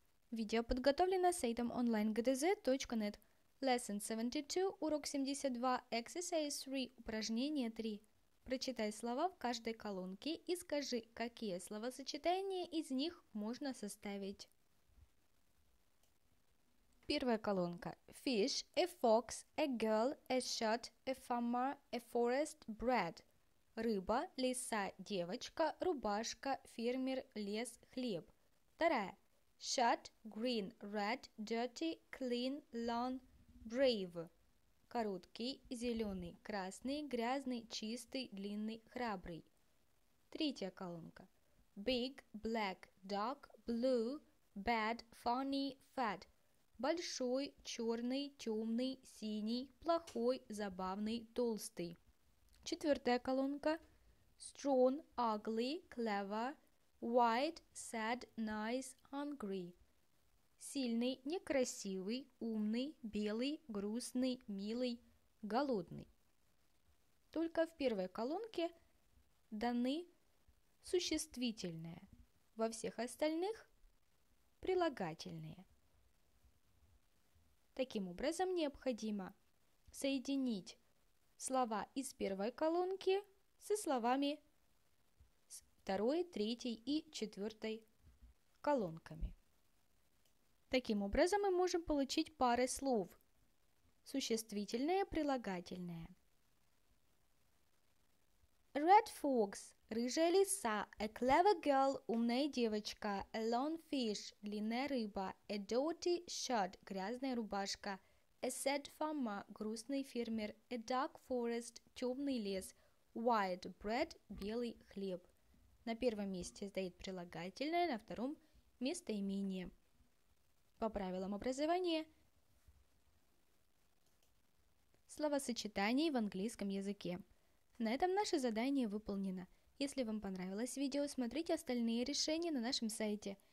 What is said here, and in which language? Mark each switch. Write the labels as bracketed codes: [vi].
[ru] Видео подготовлено сайтом onlinegdz.net. Lesson 72, урок 72, exercise 3, упражнение 3. Прочитай слова в каждой колонке и скажи, какие словосочетания из них можно составить. Первая колонка. [en] Fish, a fox, a girl, a shot, a farmer, a forest, bread. [ru] Рыба, лиса, девочка, рубашка, фермер, лес, хлеб. Вторая. [en] Shot, green, red, dirty, clean, lawn, brave. [ru] Короткий, зеленый, красный, грязный, чистый, длинный, храбрый. Третья колонка. [en] Big, black, dark, blue, bad, funny, fat. [ru] Большой, черный, темный, синий, плохой, забавный, толстый. Четвертая колонка. [en] Strong, ugly, clever, white, sad, nice, hungry. [ru] Сильный, некрасивый, умный, белый, грустный, милый, голодный. Только в первой колонке даны существительные, во всех остальных прилагательные. Таким образом, необходимо соединить слова из первой колонки со словами с второй, третьей и четвертой колонками. Таким образом, мы можем получить пары слов – существительное, прилагательное. [en] Red fox – [ru] рыжая лиса. [en] A clever girl – [ru] умная девочка. [en] A long fish – [ru] длинная рыба. [en] A dirty shirt – [ru] грязная рубашка. [en] A sad farmer – [ru] грустный фермер. [en] A dark forest – [ru] темный лес. [en] White bread [ru] – белый хлеб. На первом месте стоит прилагательное, на втором – местоимение. По правилам образования словосочетаний в английском языке. На этом наше задание выполнено. Если вам понравилось видео, смотрите остальные решения на нашем сайте.